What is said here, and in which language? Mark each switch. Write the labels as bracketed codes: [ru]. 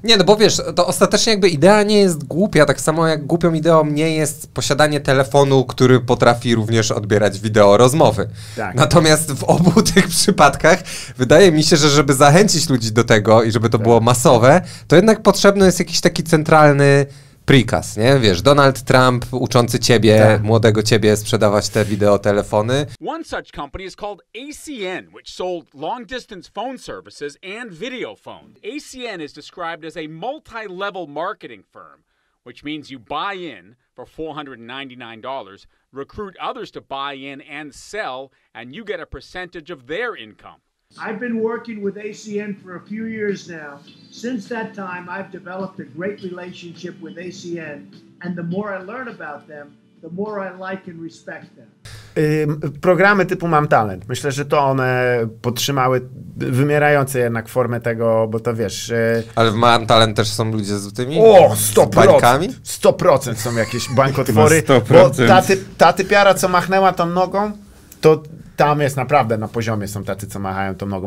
[pl] Nie, no bo wiesz, to ostatecznie jakby idea nie jest głupia, tak samo jak głupią ideą nie jest posiadanie telefonu, który potrafi również odbierać wideo rozmowy. Tak. Natomiast w obu tych przypadkach wydaje mi się, że żeby zachęcić ludzi do tego i żeby to było masowe, to jednak potrzebny jest jakiś taki centralny prikaz, nie? Wiesz, Donald Trump uczący ciebie, tak, młodego ciebie, sprzedawać te wideotelefony. [en] One such company is called ACN, which sold long distance phone services and video phone. ACN is described as a multi-level marketing firm, which means you buy in for $499, recruit others to buy in and sell, and you get a percentage of their income. I've been working with ACN for a few years now. Since that time, I've developed a great relationship with ACN, and the more I learn about them, the more I like and respect them. [pl] Programy typu Mam Talent. Myślę, że to one podtrzymały wymierające jednak formę tego, bo to wiesz... Ale w Mam Talent też są ludzie z tymi... O, 100%! Z bańkami? 100% są jakieś bankotwory. 100%. Bo ta typiara, co machnęła tą nogą, to tam jest naprawdę, na poziomie są tacy, co machają tą nogą.